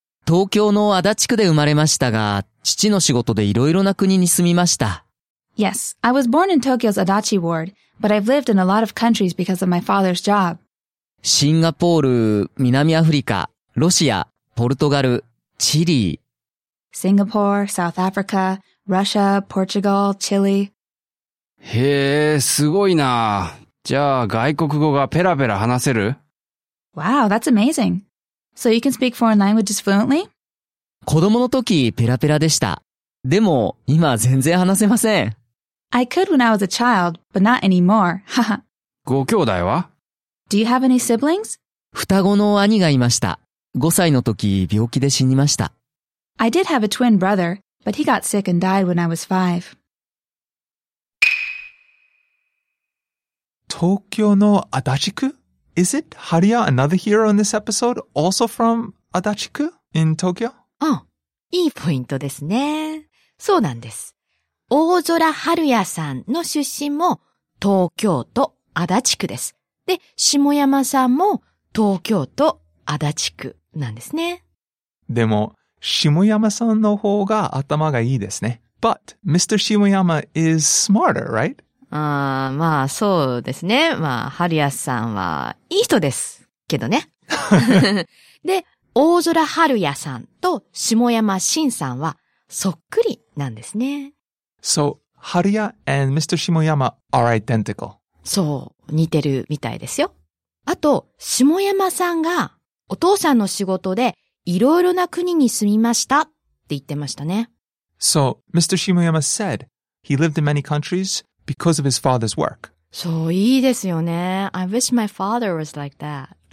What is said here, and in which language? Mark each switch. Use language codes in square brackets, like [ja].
[ja] 東京の足立区で生まれましたが、父の仕事でいろいろな国に住みました。 [en] Yes, I was born in Tokyo's Adachi Ward, but I've lived in a lot of countries because of my father's job. [ja] シンガポール、南アフリカ、ロシア、ポルトガル、チリ。 [en] Singapore, South Africa, Russia, Portugal, Chile. [ja] へえ、すごいな。じゃあ外国語がペラペラ話せる？ [en] Wow, that's amazing. So you can speak foreign languages fluently? [ja] 子供の時ペラペラでした。でも今全然話せません。 [en] I could when I was a child, but not anymore. [ja] ご兄弟は？ [en] Do you have any siblings? [ja] 双子の兄がいました。 5歳の時病気で死にました。 [en] I did have a twin brother, but he got sick and died when I was 5. [ja] 東京の足立区？ [en] Is it Haruya, another hero in this episode, also from 足立区 in Tokyo? [ja] Oh, いいポイントですね。そうなんです。大空春也さんの出身も東京都足立区です。で、下山さんも東京都足立区なんですね。でも、下山さんの方が頭がいいですね。 [en] But, Mr. 下山 is smarter, right? [ja] まあそうですね。まあ、春也さんはいい人ですけどね。で、大空春也さんと下山慎さんはそっくりなんですね。 [en] So, Haruya and Mr. Shimoyama are identical. [ja] そう、似てるみたいですよ。あと、下山さんがお父さんの仕事でいろいろな国に住みましたって言ってましたね。 [en] So, Mr. Shimoyama said he lived in many countries because of his father's work. [ja] そう、いいですよね。 [en] I wish my father was like that.